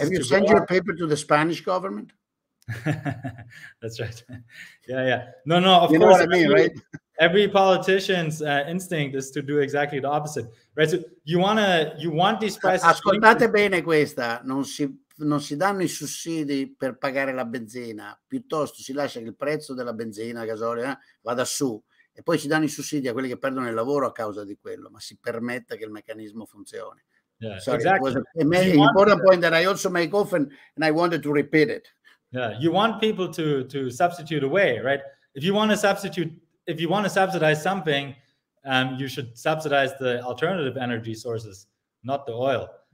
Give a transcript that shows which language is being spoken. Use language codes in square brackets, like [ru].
[en] Have you sent your paper to the Spanish government? That's right. Yeah. No. Of course. What I mean, right? Every politician's instinct is to do exactly the opposite, right? So you want these prices. [it] Ascoltate bene questa. Non si danno i sussidi per pagare la benzina, piuttosto si lascia che il prezzo della benzina, gasolio, vada su, e poi si danno i sussidi a quelli che perdono il lavoro a causa di quello, ma si permetta che il meccanismo funzioni. [en] Exactly. Important point that I also make often, and I wanted to repeat it. Yeah, you want people to substitute away, right? If you want to subsidize something, you should subsidize the alternative energy sources, not the oil.